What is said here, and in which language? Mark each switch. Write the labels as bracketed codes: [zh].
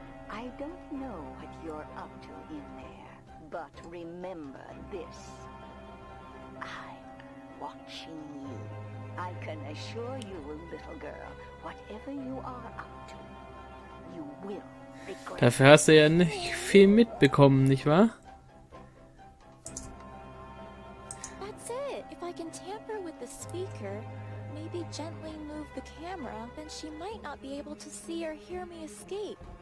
[en] I don't know what you're up to in there, but remember this. I'm watching you. I can assure you, little girl, whatever you are up to, you will be gone. [de] Dafür hast du ja nicht viel mitbekommen, nicht wahr? [en] That's it. If I can tamper with the speaker, maybe gently move the camera, then she might not be able to see or hear me escape.